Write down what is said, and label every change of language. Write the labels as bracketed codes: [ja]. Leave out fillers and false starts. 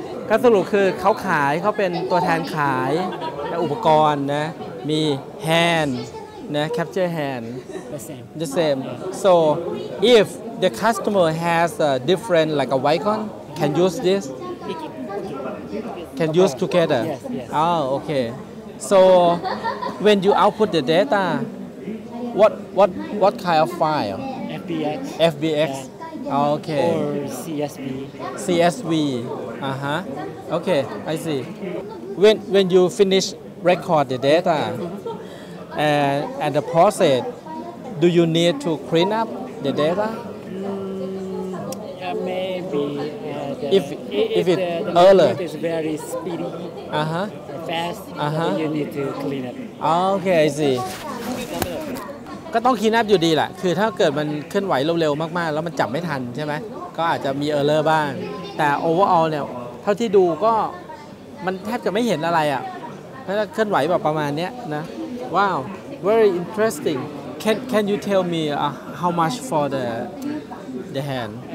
[th] ก็สรุปคือเขาขายเขาเป็นตัวแทนขายและอุปกรณ์นะมี hand, นะ capture hand. [en] The same. So if the customer has a different like a Wacom, can use this? Can use together? Yes. Oh, okay. So when you output the data, what kind of file? FBX. Yeah. Okay. Or CSV. CSV. Uh-huh. Okay, I see. When you finish record the data and the process, do you need to clean up the data? Maybe. If it the earlier. It is very speedy. Uh-huh. Fast, uh-huh. You need to clean up. Okay, I see. [th] ก็ต้องคลีนอัพอยู่ดีแหละคือถ้าเกิดมันเคลื่อนไหวเร็วๆมากๆแล้วมันจับไม่ทันใช่ไหมก็อาจจะมีเออร์เลอร์บ้างแต่ overall เนี่ยเท่าที่ดูก็มันแทบจะไม่เห็นอะไรอ่ะเพราะเคลื่อนไหวแบบประมาณเนี้ยนะ [en] Wow, very interesting. Can you tell me how much for the hand?